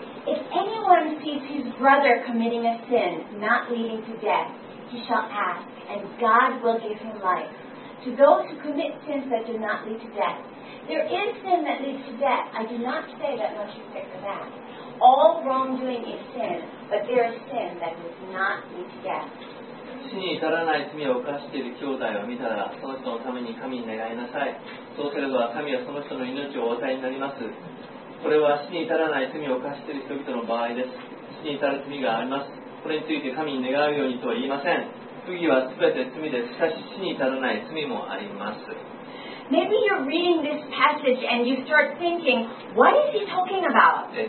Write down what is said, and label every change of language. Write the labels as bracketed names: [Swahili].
[English] If anyone sees his brother committing a sin not leading to death, he shall ask, and God will give him life. To those who commit sins that do not lead to death, there is sin that leads to death. I do not say that one should pray for that. All wrongdoing is sin, but there is sin that does not lead to death. [Japanese] 死に至らない罪を犯している兄弟を見たら、その人のために神に願いなさい。そうすれば神はその人の命をお与えになります。これは死に至らない罪を犯している人々の場合です。死に至る罪があります。これについて神に願うようにとは言いません。罪はすべて罪です。しかし死に至らない罪もあります。 [English] Maybe you're reading this passage and you start thinking, what is he talking about?